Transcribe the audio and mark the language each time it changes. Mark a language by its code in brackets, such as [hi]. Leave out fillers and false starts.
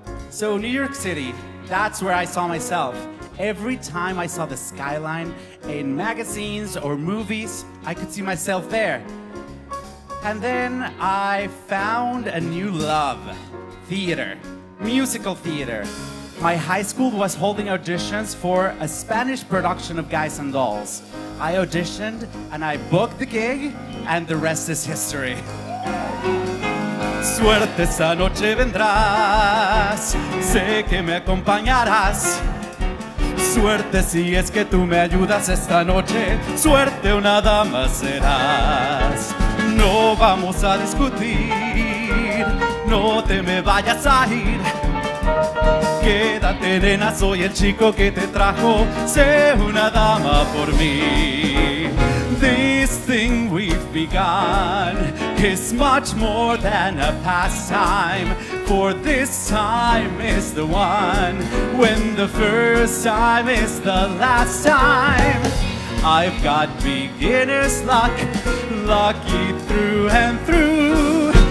[en] So New York City, that's where I saw myself. Every time I saw the skyline in magazines or movies, I could see myself there. And then I found a new love. theater, musical theater. My high school was holding auditions for a Spanish production of Guys and Dolls. I auditioned and I booked the gig, and the rest is history. [es] Suerte esa noche vendrás, sé que me acompañarás. Suerte si es que tú me ayudas esta noche, suerte una dama serás. No vamos a discutir, no te me vayas a ir. Quédate, nena, soy el chico que te trajo, sé una dama por mí. [en] This thing we've begun is much more than a pastime, for this time is the one when the first time is the last time. I've got beginner's luck, lucky through and through.